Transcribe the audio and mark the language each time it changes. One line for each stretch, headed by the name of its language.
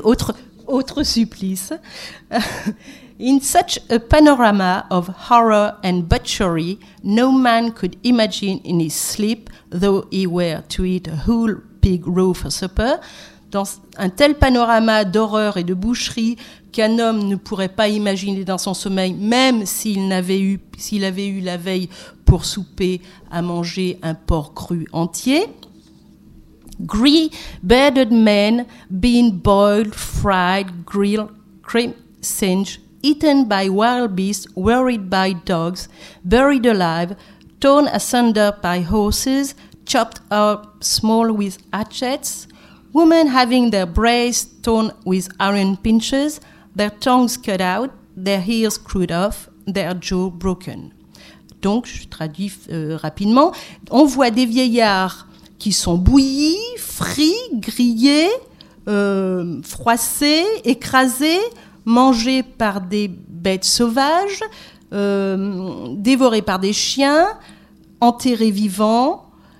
French: Autre supplice.
English: In such a panorama of horror and butchery, no man could imagine in his sleep, though he were to eat a whole pig raw for supper.
French: Dans un tel panorama d'horreur et de boucherie qu'un homme ne pourrait pas imaginer dans son sommeil, même s'il avait eu la veille pour souper à manger un porc cru entier.
English: Gray-bearded men being boiled, fried, grilled, crimped, singed, eaten by wild beasts, worried by dogs, buried alive, torn asunder by horses, chopped up small with hatchets, women having their breasts torn with iron pinchers, their tongues cut out, their ears screwed off, their jaw broken.
French: Donc, je traduis rapidement, on voit des vieillards qui sont bouillis, frits, grillés, froissés, écrasés, mangés par des bêtes sauvages, dévorés par des chiens, enterrés vivants,